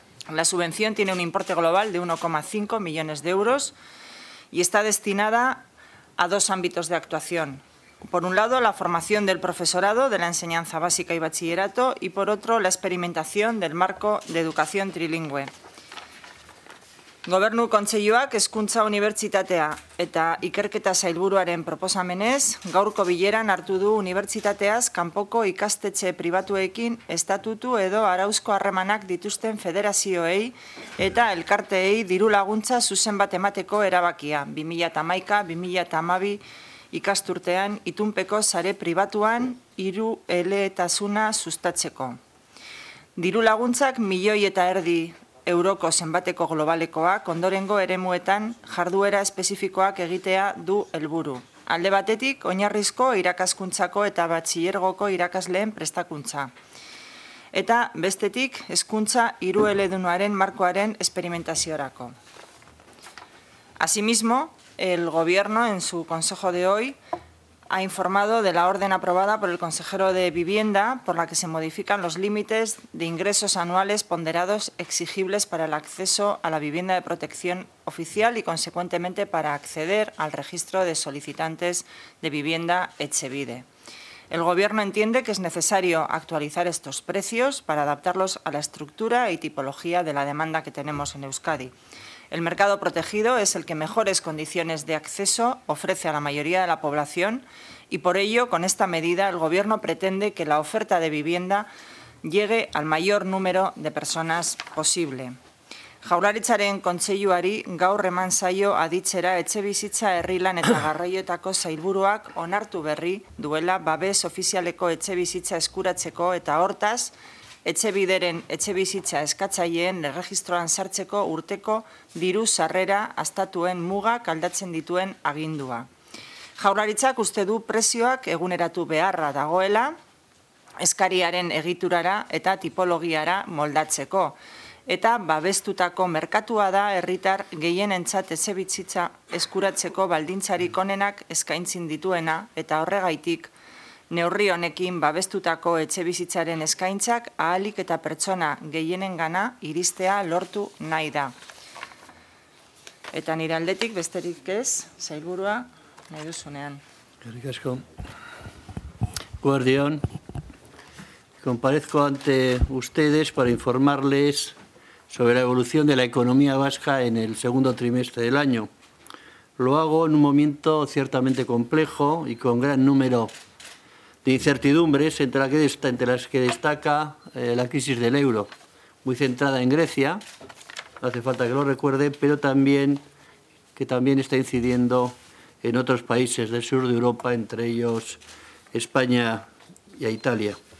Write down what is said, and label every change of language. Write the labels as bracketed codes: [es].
[es] La subvención tiene un importe global de 1,5 millones de euros y está destinada a dos ámbitos de actuación. Por un lado, la formación del profesorado de la enseñanza básica y bachillerato y, por otro, la experimentación del marco de educación trilingüe. [eu] Gobernu Kontseiluak Hezkuntza Unibertsitatea eta Ikerketa Sailburuaren proposamenez, gaurko bileran hartu du unibertsitateaz kanpoko ikastetxe pribatuekin estatutu edo arauzko harremanak dituzten federazioei eta elkarteei diru laguntza zuzen bat emateko erabakia 2011-2012 ikasturtean itunpeko sare pribatuan hiru eleetasuna sustatzeko. Diru laguntzak 1,5 milioi euroko zenbateko globalekoak ondorengo eremuetan jarduera espezifikoak egitea du helburu. Alde batetik, oinarrizko irakaskuntzako eta batxilergoko irakasleen prestakuntza. Eta bestetik, hezkuntza hirueledunaren markoaren esperimentaziorako. Asimismo, el Gobierno, en su Consejo de hoy, ha informado de la orden aprobada por el consejero de Vivienda por la que se modifican los límites de ingresos anuales ponderados exigibles para el acceso a la vivienda de protección oficial y, consecuentemente, para acceder al registro de solicitantes de vivienda Etxebide. El Gobierno entiende que es necesario actualizar estos precios para adaptarlos a la estructura y tipología de la demanda que tenemos en Euskadi. El mercado protegido es el que mejores condiciones de acceso ofrece a la mayoría de la población y, por ello, con esta medida, el Gobierno pretende que la oferta de vivienda llegue al mayor número de personas posible. Jaurlaritzaren kontseiluari gaur eman zaio aditzera etxebizitza herrilan eta garraioetako sailburuak onartu berri duela babes ofizialeko etxebizitza eskuratzeko eta hortaz, Etxebideren etxebizitza eskatzaileen erregistroan sartzeko urteko diru sarrera astatuen mugak aldatzen dituen agindua. Jaurlaritzak uste du prezioak eguneratu beharra dagoela, eskariaren egiturara eta tipologiara moldatzeko, eta babestutako merkatua da herritar gehienentzat etxebizitza eskuratzeko baldintzarik onenak eskaintzen dituena eta horregaitik, neurri honekin babestutako etxebizitzaren eskaintzak ahalik eta pertsona gehienengana iristea lortu nahi da. Eta nire aldetik besterik ez, sailburua, nahi duzunean. Eskerrik asko. [es] Guardión, comparezco ante ustedes para informarles sobre la evolución de la economía vasca en el segundo trimestre del año. Lo hago en un momento ciertamente complejo y con gran número de incertidumbres, entre las que destaca la crisis del euro, muy centrada en Grecia, no hace falta que lo recuerde, pero también que también está incidiendo en otros países del sur de Europa, entre ellos España y Italia.